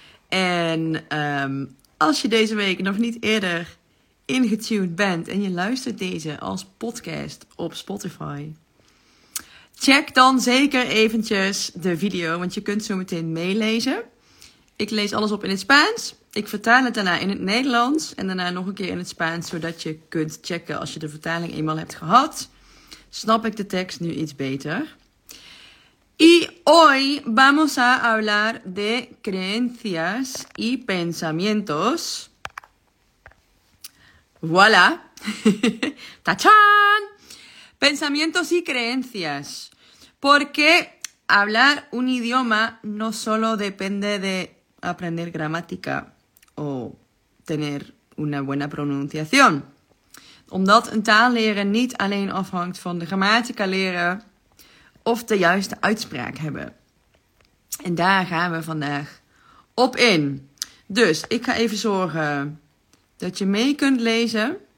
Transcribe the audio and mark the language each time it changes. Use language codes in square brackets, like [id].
[nl] En als je deze week nog niet eerder ingetuned bent en je luistert deze als podcast op Spotify, check dan zeker eventjes de video, want je kunt zo meteen meelezen. Ik lees alles op in het Spaans. Ik vertaal het daarna in het Nederlands en daarna nog een keer in het Spaans, zodat je kunt checken als je de vertaling eenmaal hebt gehad. Snap ik de tekst nu iets beter? [es] Y hoy vamos a hablar de creencias y pensamientos. Voilà. ¡Tachán! Pensamientos y creencias. Porque hablar un idioma no solo depende de aprender gramática o tener una buena pronunciación. [nl] Omdat een taal leren niet alleen afhangt van de grammatica leren of de juiste uitspraak hebben. En daar gaan we vandaag op in. Dus ik ga even zorgen dat je mee kunt lezen.